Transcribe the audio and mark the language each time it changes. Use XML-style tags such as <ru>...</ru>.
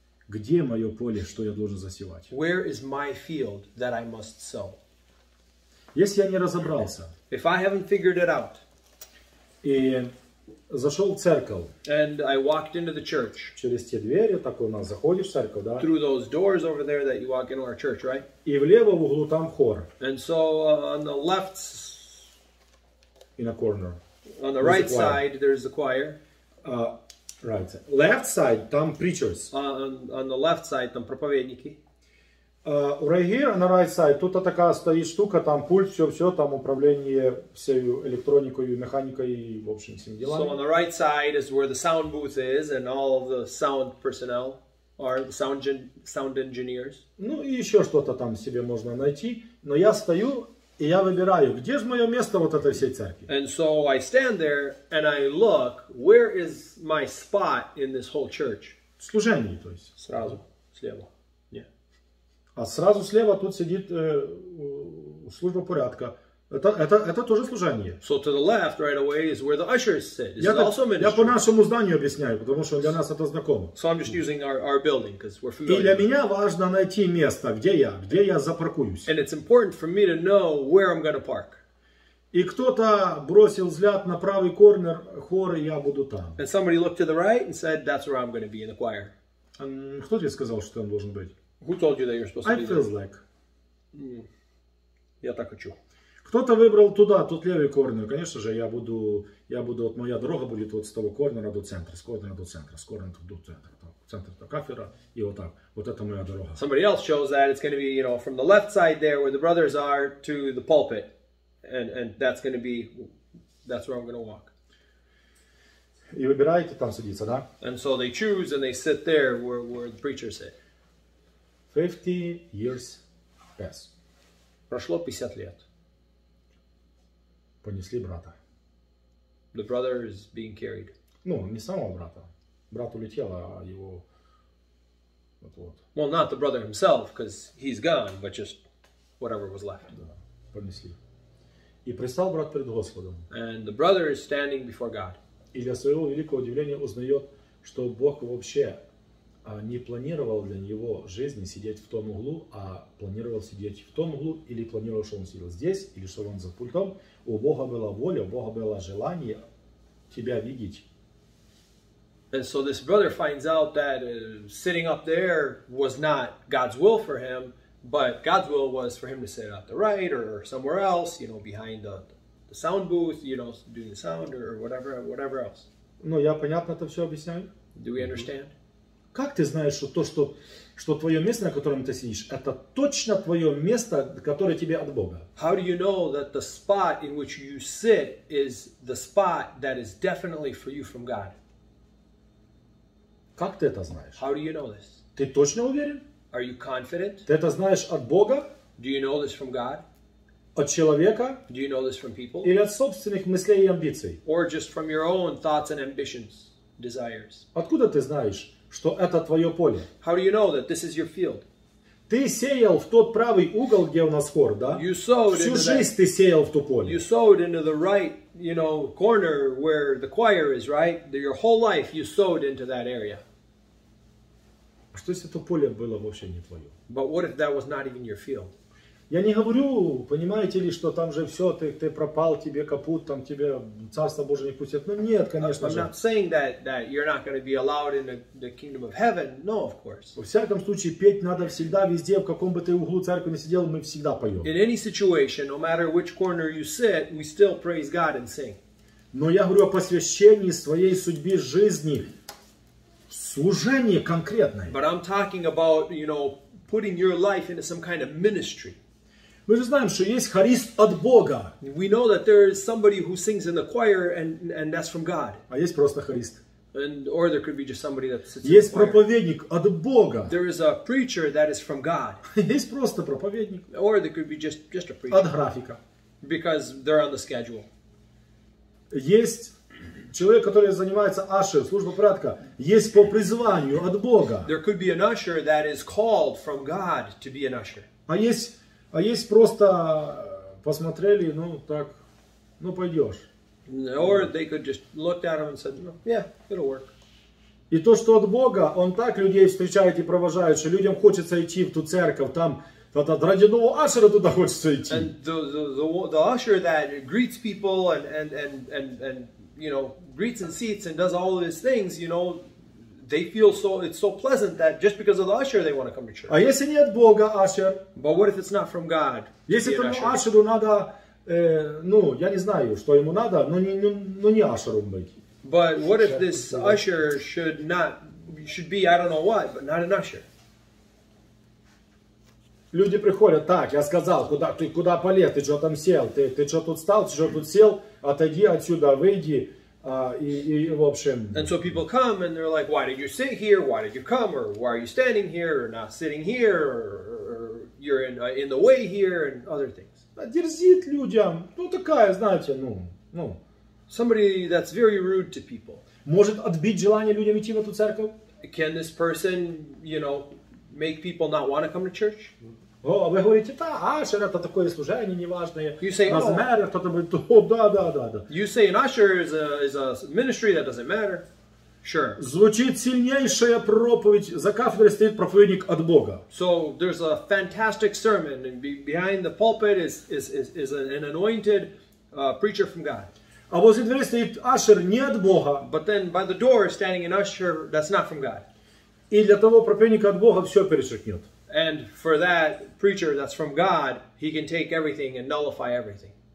<ru>Где мое поле, что я должен засевать?</ru> <en>Where is my field that I must sow?</en> <ru>Если я не разобрался.</ru> <en>If I haven't figured it out.</en> <ru>И зашел в церковь.</ru> <en>And I walked into the church.</en> <ru>Через те двери, так у нас заходишь в церковь, да?</ru> <en>Through those doors over there that you walk into our church, right?</en> <ru>И влево в углу там хор.</ru> <en>And so on the left. In a corner. On the right side there's the choir. Right. Left side,</en> <ru>там</ru> <en>preachers. On the left side,</en> <ru>там</ru> <en>проповедники. Right here, on the right side,</en> <ru>тут такая стоит штука, там пульт, все-все, там управление всей электроникой и механикой, и, в общем, всеми делами.</ru> <en>So on the right side is where the sound booth is, and all the sound personnel, or the sound engineers.</en> <ru>Ну, и еще что-то там себе можно найти, но я стою, и я выбираю, где же мое место вот этой всей церкви.</ru> <en>And so I stand there and I look, where is my spot in this whole church?</en> <ru>Служение, то есть. Сразу слева.</ru> <en>Yeah.</en> <ru>А сразу слева тут сидит служба порядка. Это тоже служение.</ru> <en>So to the left right away is where the ushers sit. Is also ministry.</en> <ru>Я по нашему зданию объясняю, потому что для нас это знакомо.</ru> <en>So I'm just using our building because we're familiar.</en> <ru>И для меня важно найти место, где я запаркуюсь.</ru> <en>And it's important for me to know where I'm going to park.</en> <ru>И кто-то бросил взгляд на правый корнер хора, я буду там.</ru> <en>And somebody looked to the right and said that's where I'm going to be in the choir.</en> <ru>Кто тебе сказал, что там должен быть?</ru> <en>Who told you that you're supposed to be there? I feel like.</en> <ru>Я так хочу. Кто-то выбрал туда, тут левый корнер. Конечно же, я буду, вот моя дорога будет вот с того корнера до центра, с корнера до центра, с корнера до центра, там, центр до кафедра, и вот так. Вот это моя дорога.</ru> <en>Somebody else chose that it's going to be, you know, from the left side there where the brothers are to the pulpit. And that's going to be, that's where I'm going to walk.</en> <ru>И выбираете там садиться, да?</ru> <en>And so they choose and they sit there where the preacher sit. 50 years pass.</en> <ru>Прошло 50 лет. Понесли брата.</ru> <en>The brother is being carried.</en> <ru>Ну, не самого брата. Брат улетел, а его... Вот-вот.</ru> <en>Well, not the brother himself, because he's gone, but just whatever was left.</en> <ru>Да, понесли. И пристал брат перед Господом.</ru> <en>And the brother is standing before God.</en> <ru>И для своего великого удивления узнает, что Бог вообще не планировал для него жизни сидеть в том углу, а планировал сидеть в том углу, или планировал, что он сидел здесь, или что он за пультом. У Бога была воля, у Бога было желание тебя видеть.</ru> <en>And so this brother finds out that sitting up there was not God's will for him, but God's will was for him to sit at the right or somewhere else, you know, behind the sound booth, you know, doing the sound or whatever else.</en> <ru>Ну, я понятно это все объясняю?</ru> <en>Do we understand?</en> <ru>Как ты знаешь, что то, что, что твое место, на котором ты сидишь, это точно твое место, которое тебе от Бога?</ru> <en>How do you know that the spot in which you sit is the spot that is definitely for you from God?</en> <ru>Как ты это знаешь?</ru> <en>How do you know this?</en> <ru>Ты точно уверен?</ru> <en>Are you confident?</en> <ru>Ты это знаешь от Бога?</ru> <en>Do you know this from God?</en> <ru>От человека?</ru> <en>Do you know this from people?</en> <ru>Или от собственных мыслей и амбиций?</ru> <en>Or just from your own thoughts and ambitions, desires?</en> <ru>Откуда ты знаешь, что это твое поле?</ru> <en>How do you know that this is your field?</en> <ru>Ты сеял в тот правый угол, где у нас хор, да?</ru> <en>You sowed</en> <ru>всю</ru> <en>into</en> <ru>жизнь</ru> <en>that.</en> <ru>Ты сеял в то поле.</ru> <en>You sowed into the right, you know, corner where the choir is, right? Your whole life you sowed into that area.</en> <ru>А что если это поле было вообще не твое?</ru> <en>But what if that was not even your field?</en> <ru>Я не говорю, понимаете ли, что там же все, ты пропал, тебе капут, там тебе Царство Божие не пустят. Ну нет, конечно же.</ru> <en>I'm not saying that you're not going to be allowed in the kingdom of heaven. No, of course.</en> <ru>Во всяком случае, петь надо всегда, везде, в каком бы ты углу церкви не сидел, мы всегда поем.</ru> <en>In any situation, no matter which corner you sit, we still praise God and sing.</en> <ru>Но я говорю о посвящении своей судьбе жизни. Служение конкретное.</ru> <en>But I'm talking about, you know, putting your life into some kind of ministry.</en> <ru>Мы же знаем, что есть хорист от Бога.</ru> <en>We know that there is somebody who sings in the choir and that's from God.</en> <ru>А есть просто хорист.</ru> <en>And or there could be just somebody that sits</en> <ru>есть</ru> <en>in the choir.</en> <ru>Проповедник от Бога.</ru> <en>There is a preacher that is from God.</en> <ru>Есть просто проповедник.</ru> <en>Or there could be just a preacher.</en> <ru>От графика.</ru> <en>Because they're on the schedule.</en> <ru>Есть человек, который занимается ашер, служба порядка, есть по призванию от Бога.</ru> <en>There could be an usher that is called from God to be an usher.</en> <ru>А есть просто посмотрели, ну так, ну пойдешь.</ru> <en>Or they could just look at him and said, no, yeah, it'll work.</en> <ru>И то, что от Бога, он так людей встречает и провожает, что людям хочется идти в ту церковь, там, тогда ради нового ашера туда хочется идти.</ru> <en>And the usher that greets people and you know, greets and seats and does all of these things, you know, they feel so, it's so pleasant that just because of the usher, they want to come to church.</en> <ru>А если не от Бога, ашер?</ru> <en>But what if it's not from God?</en> <ru>Если этому ашеру надо, ну, я не знаю, что ему надо, но не ашером быть.</ru> <en>But what if this usher should be, I don't know what, but not an usher?</en> <ru>Люди приходят, так, я сказал, куда полез, ты что там сел, ты что тут стал, ты что тут сел, отойди отсюда, выйди. И в общем.</ru> <en>And so people come and they're like, why did you sit here? Why did you come? Or why are you standing here? Or not sitting here? Or you're in the way here and other things.</en> <ru>Дерзит людям. Ну такая, знаете, ну.</ru> <en>Somebody that's very rude to people.</en> <ru>Может отбить желание людям идти в эту церковь?</ru> <en>Can this person, you know, make people not want to come to church?</en> <ru>О, вы говорите, да, ашер, это такое служение неважное.</ru> <en>You say, oh.</en> <ru>Размер, кто-то говорит, о, да.</ru> <en>You say an usher is a ministry that doesn't matter. Sure.</en> <ru>Звучит сильнейшая проповедь, за кафедрой стоит проповедник от Бога.</ru> <en>So there's a fantastic sermon and behind the pulpit is an anointed preacher from God.</en> <ru>А возле двери стоит ашер не от Бога.</ru> <en>But then by the door standing an usher that's not from God.</en> <ru>И для того проповедника от Бога все перечеркнет.</ru> <en>And for that preacher that's from God, he can take everything and nullify everything.</en>